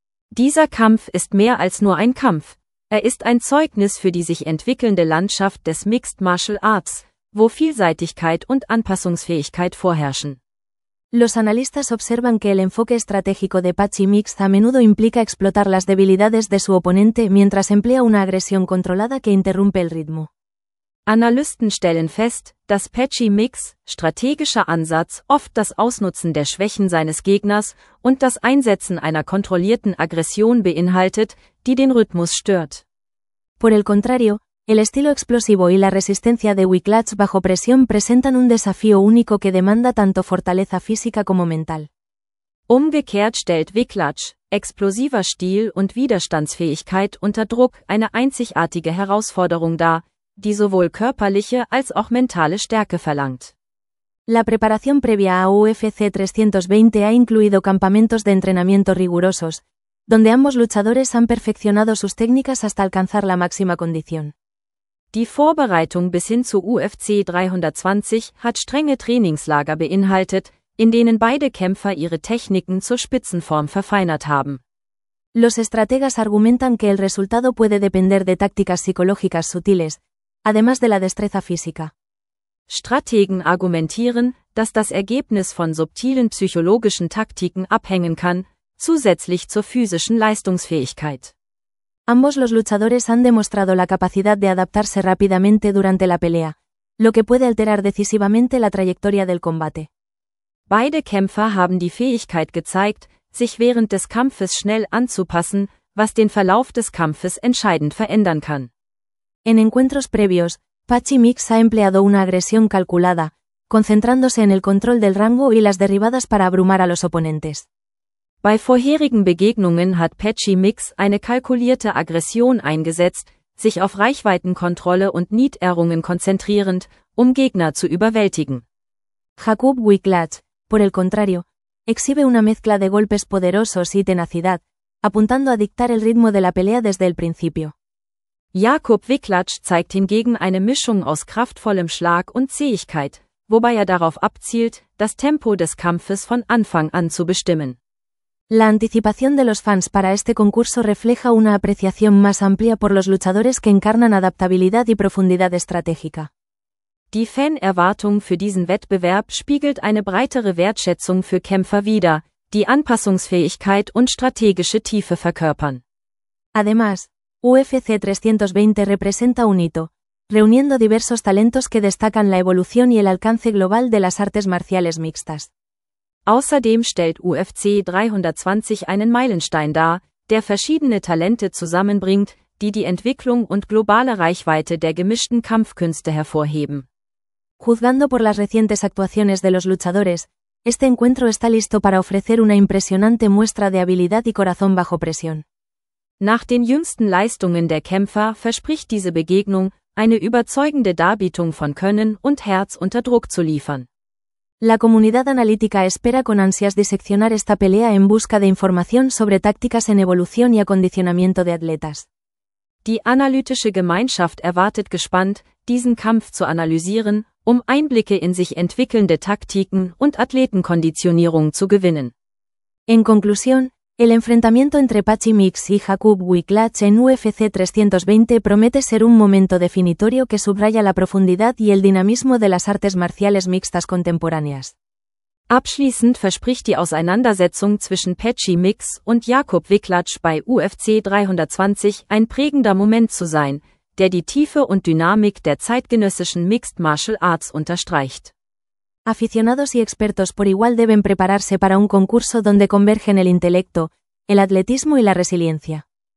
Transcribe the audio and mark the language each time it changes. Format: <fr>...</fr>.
<de>Dieser Kampf ist mehr als nur ein Kampf. Ist ein Zeugnis für die sich entwickelnde Landschaft des Mixed Martial Arts, wo Vielseitigkeit und Anpassungsfähigkeit vorherrschen.</de> <es>Los analistas observan que el enfoque estratégico de Patxi Mix a menudo implica explotar las debilidades de su oponente mientras emplea una agresión controlada que interrumpe el ritmo.</es> <de>Analysten stellen fest, dass Patxi Mix, strategischer Ansatz, oft das Ausnutzen der Schwächen seines Gegners und das Einsetzen einer kontrollierten Aggression beinhaltet, die den Rhythmus stört.</de> <es>Por el contrario, el estilo explosivo y la resistencia de Wiklacz bajo presión presentan un desafío único que demanda tanto fortaleza física como mental.</es> <de>Umgekehrt stellt Wiklacz, explosiver Stil und Widerstandsfähigkeit unter Druck eine einzigartige Herausforderung dar, die sowohl körperliche als auch mentale Stärke verlangt.</de> <es>La preparación previa a UFC 320 ha incluido campamentos de entrenamiento rigurosos, donde ambos luchadores han perfeccionado sus técnicas hasta alcanzar la máxima condición.</es> <de>Die Vorbereitung bis hin zu UFC 320 hat strenge Trainingslager beinhaltet, in denen beide Kämpfer ihre Techniken zur Spitzenform verfeinert haben.</de> <es>Los estrategas argumentan que el resultado puede depender de tácticas psicológicas sutiles, además de la destreza física.</es> <de>Strategen argumentieren, dass das Ergebnis von subtilen psychologischen Taktiken abhängen kann, zusätzlich zur physischen Leistungsfähigkeit.</de> <es>Ambos los luchadores han demostrado la capacidad de adaptarse rápidamente durante la pelea, lo que puede alterar decisivamente la trayectoria del combate.</es> <de>Beide Kämpfer haben die Fähigkeit gezeigt, sich während des Kampfes schnell anzupassen, was den Verlauf des Kampfes entscheidend verändern kann.</de> <es>En encuentros previos, Pachi Mix ha empleado una agresión calculada, concentrándose en el control del rango y las derribadas para abrumar a los oponentes.</es> <de>Bei vorherigen Begegnungen hat Pachi Mix eine kalkulierte Aggression eingesetzt, sich auf Reichweitenkontrolle und Niederungen konzentrierend, um Gegner zu überwältigen.</de> <es>Jakub Wiklacz, por el contrario, exhibe una mezcla de golpes poderosos y tenacidad, apuntando a dictar el ritmo de la pelea desde el principio.</es> <de>Jakub Wiklacz zeigt hingegen eine Mischung aus kraftvollem Schlag und Zähigkeit, wobei er darauf abzielt, das Tempo des Kampfes von Anfang an zu bestimmen.</de> <es>La anticipación de los fans para este concurso refleja una apreciación más amplia por los luchadores que encarnan adaptabilidad y profundidad estratégica.</es> <de>Die Fanerwartung für diesen Wettbewerb spiegelt eine breitere Wertschätzung für Kämpfer wider, die Anpassungsfähigkeit und strategische Tiefe verkörpern.</de> <es>Además, UFC 320 representa un hito, reuniendo diversos talentos que destacan la evolución y el alcance global de las artes marciales mixtas.</es> <de>Außerdem stellt UFC 320 einen Meilenstein dar, der verschiedene Talente zusammenbringt, die die Entwicklung und globale Reichweite der gemischten Kampfkünste hervorheben.</de> <es>Juzgando por las recientes actuaciones de los luchadores, este encuentro está listo para ofrecer una impresionante muestra de habilidad y corazón bajo presión.</es> <de>Nach den jüngsten Leistungen der Kämpfer verspricht diese Begegnung, eine überzeugende Darbietung von Können und Herz unter Druck zu liefern.</de> <es>La comunidad analítica espera con ansias diseccionar esta pelea en busca de información sobre tácticas en evolución y acondicionamiento de atletas.</es> <de>Die analytische Gemeinschaft erwartet gespannt, diesen Kampf zu analysieren, um Einblicke in sich entwickelnde Taktiken und Athletenkonditionierung zu gewinnen.</de> <es>En conclusión, el enfrentamiento entre Pachi Mix y Jakub Wiklacz en UFC 320 promete ser un momento definitorio que subraya la profundidad y el dinamismo de las artes marciales mixtas contemporáneas.</es> <de>Abschließend verspricht die Auseinandersetzung zwischen Pachi Mix und Jakub Wiklacz bei UFC 320 ein prägender Moment zu sein, der die Tiefe und Dynamik der zeitgenössischen Mixed Martial Arts unterstreicht.</de> <es>Aficionados y expertos por igual deben prepararse para un concurso donde convergen el intelecto, el atletismo y la resiliencia.</es>